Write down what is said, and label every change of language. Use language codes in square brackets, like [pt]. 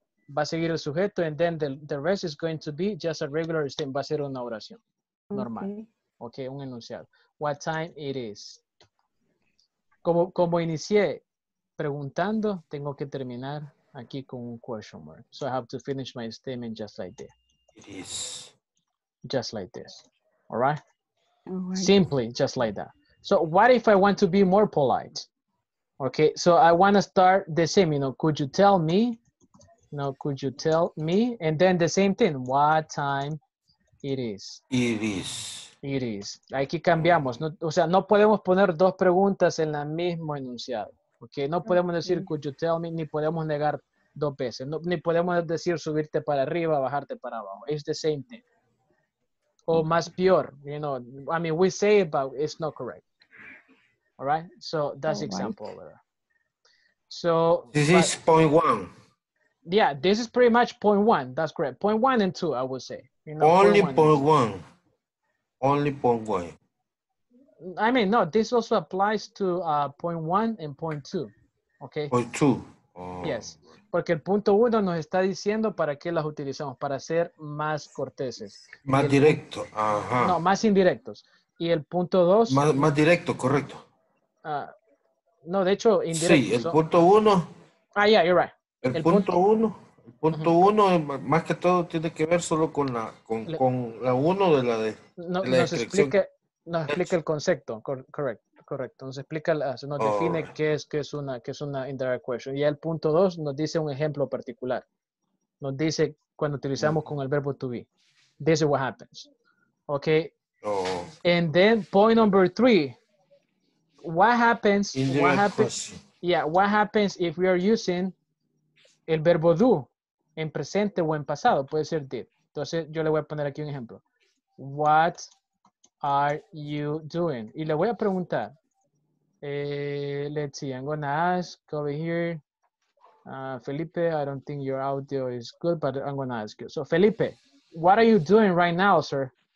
[es] Va a seguir el sujeto [en] and then the rest is going to be just a regular statement. [es] Va a ser una oración normal. Okay, un enunciado. [en] What time it is? [es] Como inicié preguntando, tengo que terminar aquí con un question mark. [en] So I have to finish my statement just like this. It is. Just like this. All right? Simply, just like that. So what if I want to be more polite? Okay, so I want to start the same, you know, could you tell me? No, could you tell me? And then the same thing, what time it is? It is. It is. [es] Aquí cambiamos. No, o sea, no podemos poner dos preguntas en la misma enunciado. Okay, no podemos decir, [en] could you tell me, [es] ni podemos negar dos veces. No, ni podemos decir subirte para arriba, bajarte para abajo. [en] It's the same thing. [es] O más peor, [en] you know. I mean, we say it, but it's not correct. All right? So, that's example. Right. Over there. So, this is point one. Yeah, this is pretty much point one. That's correct. Point one and two, I would say. You know, only point one. Only point one. I mean, no, this also applies to point one and point two, okay? Point two. [es] Yes, porque el punto uno nos está diciendo para qué las utilizamos, para ser más corteses. Más directo, No, más indirectos. Y el punto dos... Más directo, correcto. No, de hecho, indirecto. Sí, el punto uno... [en] Ah, yeah, you're right. [es] El punto uno, más que todo, tiene que ver solo con la uno de la descripción. Nos explica el concepto, correcto. Nos explica, nos define qué es una indirect question. Y el punto dos nos dice un ejemplo particular. Nos dice cuando utilizamos con el verbo to be. [en] This is what happens. Okay. Oh. And then point number three. What happens? Indirect question. Yeah, what happens if we are using [es] el verbo do en presente o en pasado? Puede ser did. Entonces yo le voy a poner aquí un ejemplo. [en] What are you doing? [es] Y le voy a preguntar. [en] Let's see. I'm going to ask over here. Felipe, I don't think your audio is good, but I'm going to ask you. So, Felipe, what are you doing right now, sir?